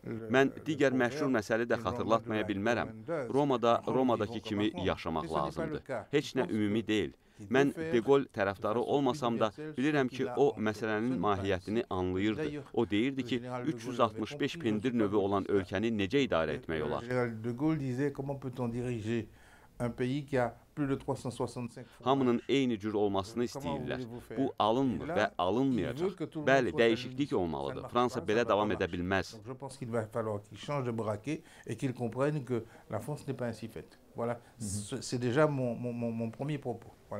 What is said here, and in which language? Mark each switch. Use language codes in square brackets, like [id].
[az] Mən digər məşhur məsələni də xatırlatmaya bilmərəm. Romadakı kimi yaşamaq lazımdır. Heç nə ümumi deyil. Mən De Gaulle tərəfdarı olmasam da bilirəm ki, o məsələnin mahiyyətini anlayırdı. O deyirdi ki, 365 pendir növü olan ölkəni necə idarə etmək olar? [fr] De Gaulle disait comment peut-on diriger un pays qui a plus de 365 [az] Hamının eyni cür olmasını istəyirlər. Bu alınmır və alınmayacaq. Bəli, dəyişiklik olmalıdır. Fransa belə davam edə bilməz. [fr] Je pense qu'il va falloir qu'il change de braquet et qu'il comprenne que la France n'est pas ainsi faite. Voilà, c'est déjà mon premier propos.